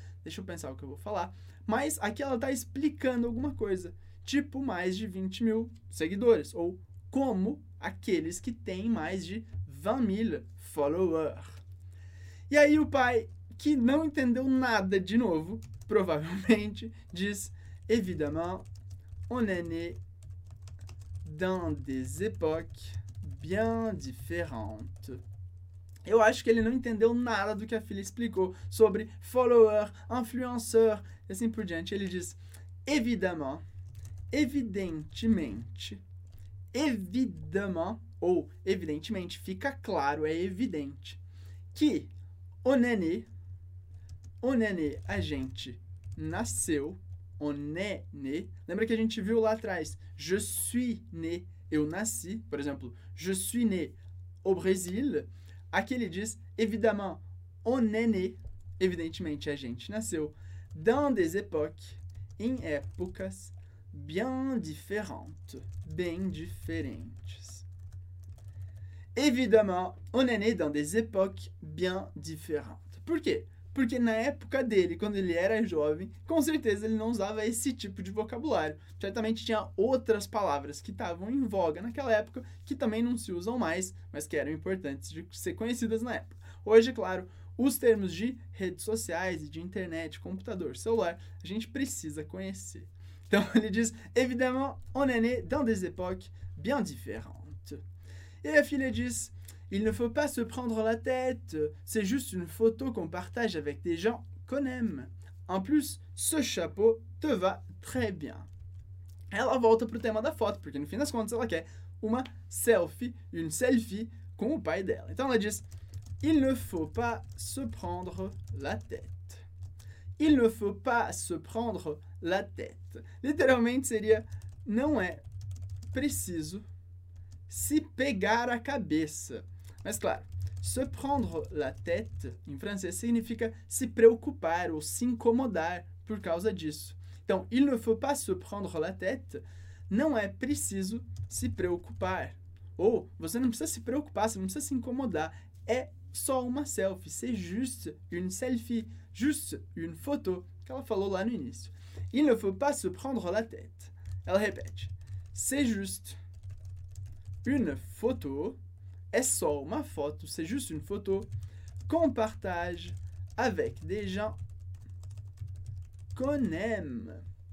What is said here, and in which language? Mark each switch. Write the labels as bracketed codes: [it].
[pt] Deixa eu pensar o que eu vou falar. Mas aqui ela está explicando alguma coisa. Tipo mais de 20 mil seguidores. Ou como aqueles que têm mais de 20 mil followers. E aí o pai, que não entendeu nada de novo... Provavelmente, diz, [fr] évidemment, on est né dans des époques bien différentes. [pt] Eu acho que ele não entendeu nada do que a filha explicou sobre follower, influenceur, e assim por diante. Ele diz, [fr] évidemment, [pt] evidentemente, évidemment, ou evidentemente, fica claro, é evidente, que [fr] on est né, [pt] a gente... nasceu, [fr] on est né, [pt] lembra que a gente viu lá atrás, [fr] je suis né, [pt] eu nasci, por exemplo, [fr] je suis né au Brésil, [pt] aqui ele diz, [fr] évidemment, on est né, [pt] evidentemente a gente nasceu, [fr] dans des époques, [pt] em épocas [fr] bien différentes, [pt] bem diferentes. [fr] Évidemment, on est né dans des époques bien différentes. [pt] Por quê? Porque na época dele, quando ele era jovem, com certeza ele não usava esse tipo de vocabulário. Certamente tinha outras palavras que estavam em voga naquela época, que também não se usam mais, mas que eram importantes de ser conhecidas na época. Hoje, claro, os termos de redes sociais, de internet, computador, celular, a gente precisa conhecer. Então ele diz, [fr] évidemment, on est né dans des époques bien différentes. [pt] E a filha diz, [fr] il ne faut pas se prendre la tête, c'est juste une photo qu'on partage avec des gens qu'on aime. En plus, ce chapeau te va très bien. [pt] Ela volta pro tema da foto, porque no fim das contas ela quer uma selfie, [fr] une selfie [pt] com o pai dela. Então ela diz, [fr] il ne faut pas se prendre la tête. Il ne faut pas se prendre la tête. [pt] Literalmente seria, não é preciso se pegar a cabeça. Mas claro, [fr] se prendre la tête [pt] em francês significa se preocupar ou se incomodar por causa disso. Então, [fr] il ne faut pas se prendre la tête, [pt] não é preciso se preocupar. Ou você não precisa se preocupar, você não precisa se incomodar. É só uma selfie, [fr] c'est juste une selfie, juste une photo, [pt] que ela falou lá no início. [fr] Il ne faut pas se prendre la tête. [pt] Ela repete, [fr] c'est juste une photo, [pt] é só uma foto, [fr] c'est juste une photo, qu'on partage avec des gens qu'on aime.